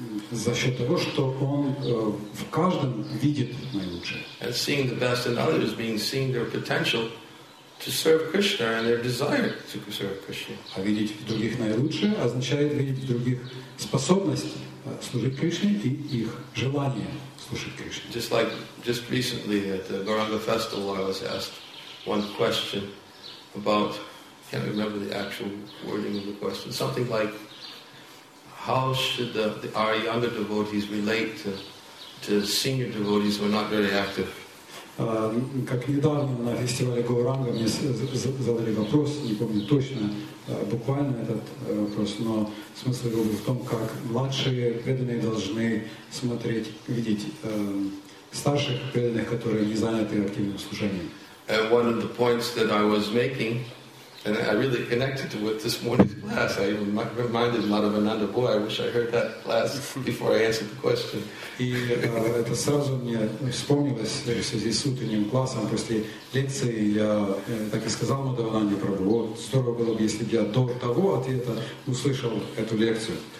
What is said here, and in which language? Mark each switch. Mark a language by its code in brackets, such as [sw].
[ru] За счет того, что он в каждом видит наилучшее. [en] And seeing the best in others means seeing their potential to serve Krishna and their desire to serve Krishna. [ru] А видеть в других наилучшее означает видеть в других способности служить Кришне и их желание служить Кришне. [en] Just recently at the Gauranga Festival, I was asked one question about, I can't remember the actual wording of the question, something like, how should our younger devotees relate to senior devotees who are not very active? [ru] Как недавно на фестивале Гауранга мне задали вопрос, не помню точно, буквально этот вопрос, но смысл его был в том, как младшие преданные должны смотреть, видеть старших преданных, которые не заняты активным служением. [en] One of the points that I was making And I really connected to what this morning's class. I even reminded Madhavananda, boy, I wish I heard that class before I answered the question. [ru] И это сразу мне вспомнилось в связи с утренним классом после лекции. Я так и сказал Мадхавананде Прабху, вот здорово было бы, если бы я до того ответа услышал эту лекцию.